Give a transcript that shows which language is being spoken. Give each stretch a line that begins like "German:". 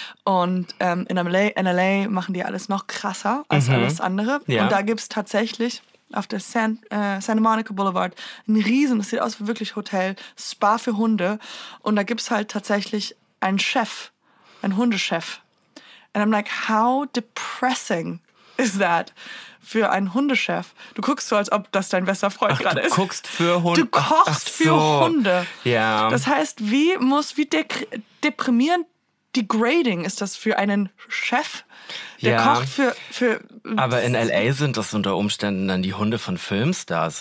German: Und in L.A. machen die alles noch krasser als alles andere. Ja. Und da gibt's tatsächlich auf der Santa Monica Boulevard ein riesen, das sieht aus wie wirklich Hotel, Spa für Hunde. Und da gibt's halt tatsächlich einen Chef, einen Hundechef.
English: And I'm like, how depressing is that?
German: Für einen Hundechef. Du guckst so, als ob das dein bester Freund gerade ist. Du guckst für Hunde. Du kochst für Hunde. Ja. Das heißt, wie deprimierend, degrading ist das für einen Chef, der kocht für... Aber in L.A. sind das unter Umständen dann die Hunde von Filmstars.